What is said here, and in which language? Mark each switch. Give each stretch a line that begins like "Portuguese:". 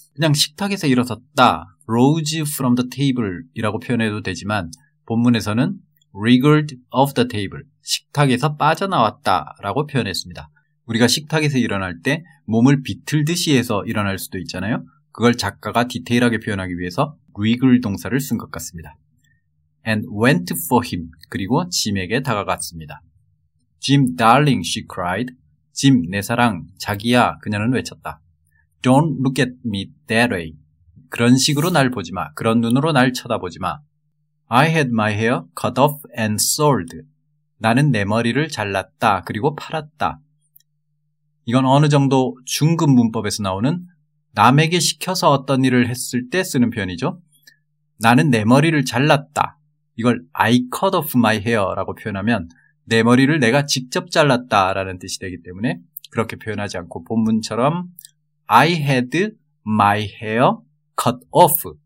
Korean: 그냥 식탁에서 일어섰다,
English: rose from the table
Korean: 이라고 표현해도 되지만 본문에서는
English: wriggled off the table,
Korean: 식탁에서 빠져나왔다 라고 표현했습니다. 우리가 식탁에서 일어날 때 몸을 비틀듯이 해서 일어날 수도 있잖아요. 그걸 작가가 디테일하게 표현하기 위해서 wriggle 동사를 쓴 것 같습니다.
English: And went for him,
Korean: 그리고 짐에게 다가갔습니다.
English: Jim, darling, she cried.
Korean: Jim, 내 사랑, 자기야, 그녀는 외쳤다.
English: Don't look at me that way.
Korean: 그런 식으로 날 보지 마, 그런 눈으로 날 쳐다보지 마.
English: I had my hair cut off and sold.
Korean: 나는 내 머리를 잘랐다, 그리고 팔았다. 이건 어느 정도 중급 문법에서 나오는 남에게 시켜서 어떤 일을 했을 때 쓰는 표현이죠. 나는 내 머리를 잘랐다. 이걸
English: I cut off my hair
Korean: 라고 표현하면 내 머리를 내가 직접 잘랐다라는 뜻이 되기 때문에 그렇게 표현하지 않고 본문처럼
English: I had my hair cut off.